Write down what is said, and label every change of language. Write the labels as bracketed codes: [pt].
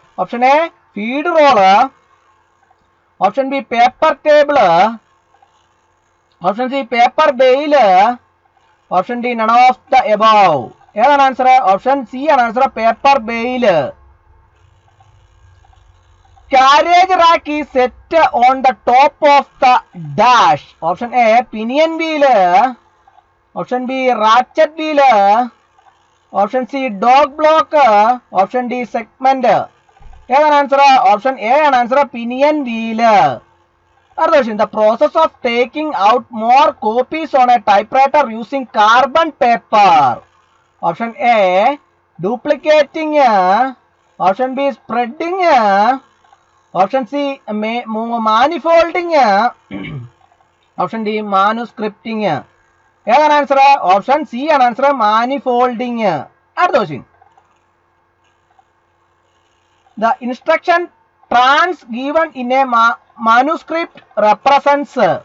[ml] Option A feed role, option B paper table, option C paper Bale, option D none of the above. ഏതാണ് answer? Option C ആണ് answer, paper Bale. [en] carriage rack is set on the top of the dash. Option A, pinion wheel. Option B, ratchet wheel. Option C, dog block. Option D, segment. [ml] ഏതാണ് answer? Option A ആണ് answer, pinion wheel. അടുത്ത question, [en] The process of taking out more copies on a typewriter using carbon paper. [ml] Option A duplicating, option B spreading, option C മാനിഫോൾഡിംഗ്, option D മാനുസ്ക്രിപ്റ്റിംഗ്. ഏതാണ് answer? Option C ആണ് answer, മാനിഫോൾഡിംഗ്. അടുത്ത question, [en] the instruction trans given in a manuscript represents.